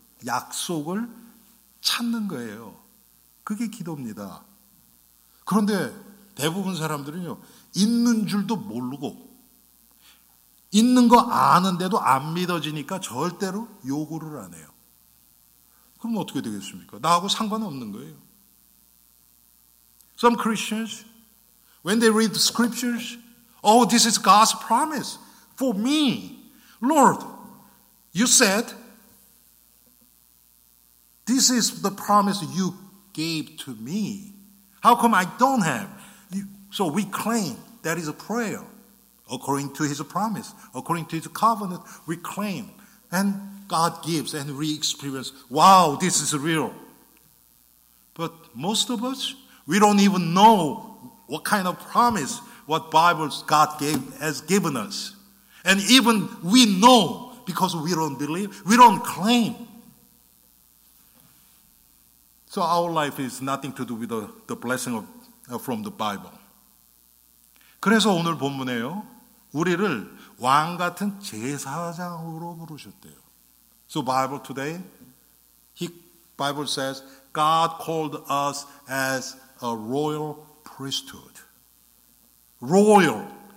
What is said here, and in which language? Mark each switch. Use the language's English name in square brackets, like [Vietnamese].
[Korean] 약속을 찾는 거예요. 그게 기도입니다. 그런데 대부분 사람들은요, 있는 줄도 모르고 있는 거 아는데도 안 믿어지니까 절대로 요구를 안 해요. 그럼 어떻게 되겠습니까? 나하고 상관없는 거예요. [English] Some Christians, when they read the scriptures, oh, this is God's promise for me. Lord, you said, this is the promise you gave to me. How come I don't have? So we claim that is a prayer according to his promise, according to his covenant, we claim. And God gives and we experience, wow, this is real. But most of us, we don't even know what kind of promise what Bibles God gave has given us. And even we know because we don't believe, we don't claim. So our life is nothing to do with the blessing of from the Bible. [Korean] 그래서 오늘 본문에요. 우리를 왕 같은 제사장으로 부르셨대요. [English] So Bible today, Bible says God called us as a royal priesthood. Royal.